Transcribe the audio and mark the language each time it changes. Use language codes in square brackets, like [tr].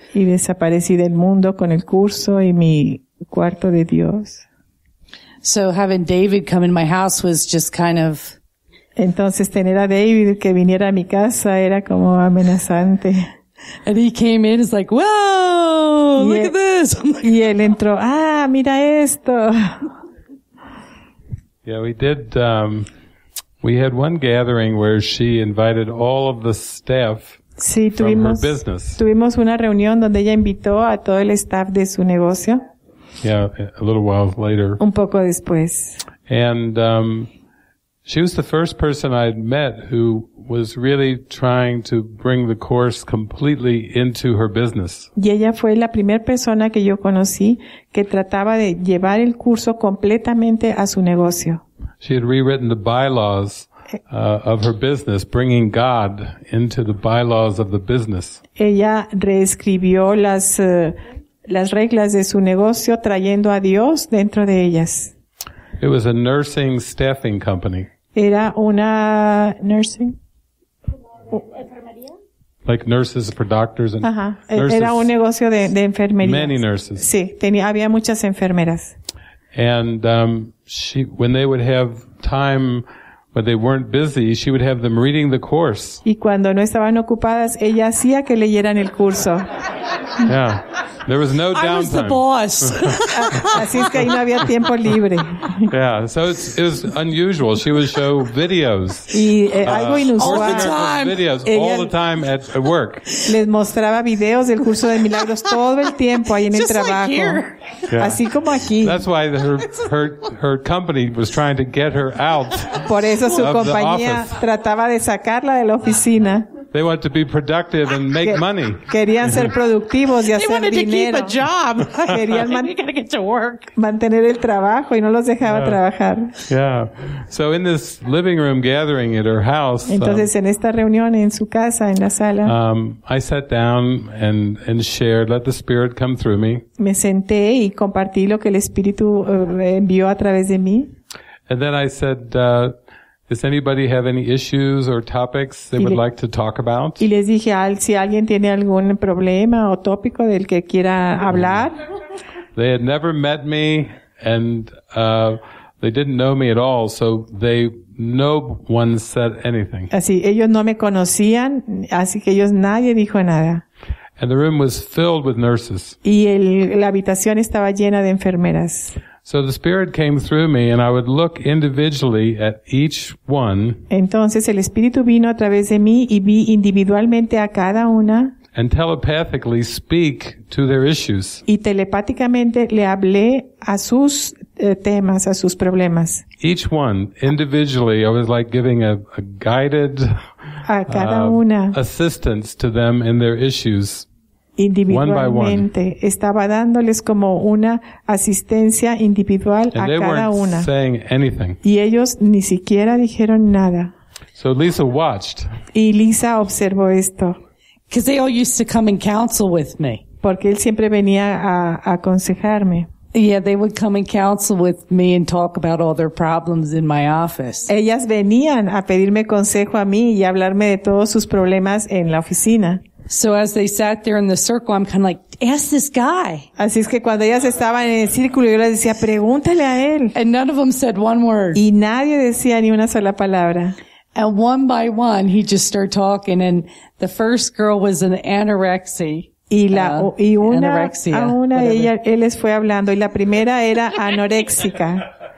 [es] y desaparecí del mundo con el curso y mi cuarto de Dios. [en] So having David come in my house was just kind of [es] entonces tener a David que viniera a mi casa era como amenazante. [en] And he came in, it's like, whoa, look at this. [es] Y él entró, ah, mira esto. [en] Yeah, we did, we had one gathering where she invited all of the staff [es] sí, [en] from her business. [es] Tuvimos una reunión donde ella invitó a todo el staff de su negocio. [en] Yeah, a little while later. [es] Un poco después. [en] And she was the first person I'd met who was really trying to bring the course completely into her business. [es] Y ella fue la primera persona que yo conocí que trataba de llevar el curso completamente a su negocio. [en] She had rewritten the bylaws of her business, bringing God into the bylaws of the business. [es] Ella reescribió las reglas de su negocio trayendo a Dios dentro de ellas. [en] It was a nursing staffing company. [es] Era una nursing. [en] Like nurses for doctors and nurses. [es] Era un negocio de enfermería. [en] Many nurses. [es] Sí, había muchas enfermeras. [en] And she, when they would have time when they weren't busy, she would have them reading the course. [es] Y cuando no estaban ocupadas, ella hacía que leyeran el curso. [en] Yeah. There was no downtime. I was the boss. [es] Así es que ahí no había tiempo libre. [en] Yeah, so it was unusual. She would show videos. [es] Y algo inusual. [en] All the time. Videos ella all the time at work. [es] Les mostraba videos del curso de milagros todo el tiempo ahí en [en] just [es] el trabajo. [en] Like [es] yeah. Así como aquí. [en] That's why her company was trying to get her out. [es] Por eso su compañía trataba de sacarla de la oficina. [en] They want to be productive and make money. [es] Querían ser productivos y hacer dinero. [en] They wanted [es] dinero. [en] To keep a job. [es] Querían [en] get to work. [es] Mantener el trabajo y no los dejaba trabajar. [en] Yeah. So in this living room gathering at her house. [es] Entonces en esta reunión en su casa en la sala. [en] I sat down and shared, let the Spirit come through me. [es] Me senté y compartí lo que el Espíritu envió a través de mí. [en] And then I said, does anybody have any issues or topics they would like to talk about? [es] Y les dije, si alguien tiene algún problema o tópico del que quiera hablar. [en] They had never met me and they didn't know me at all, so no one said anything. [es] Así, ellos no me conocían, así que ellos nadie dijo nada. [en] And the room was filled with nurses. [es] Y la habitación estaba llena de enfermeras. [en] So the Spirit came through me and I would look individually at each one. [es] Entonces el Espíritu vino a través de mí y vi individualmente a cada una. [en] And telepathically speak to their issues. [es] Y telepáticamente le hablé a sus temas, a sus problemas. [en] Each one individually, I was like giving a guided [es] a cada una. [en] Assistance to them in their issues. [es] Individualmente estaba dándoles como una asistencia individual [en] and [es] a cada una [en] saying anything. [es] Y ellos ni siquiera dijeron nada. [en] So Lisa watched. [es] Y Lisa observó esto. [en] Because they all used to come and counsel with me. [es] Porque él siempre venía a aconsejarme. [en] Yeah, they would come and counsel with me and talk about all their problems in my office. [es] Ellas venían a pedirme consejo a mí y hablarme de todos sus problemas en la oficina. [en] So as they sat there in the circle, I'm kind of like, ask this guy. [es] Así es que cuando ellas estaban en el círculo, yo les decía, pregúntale a él. [en] And none of them said one word. [es] Y nadie decía ni una sola palabra. [en] And one by one, he just started talking, and the first girl was an anorexia. [es] Y una de ellas, él les fue hablando, y la primera era anoréxica.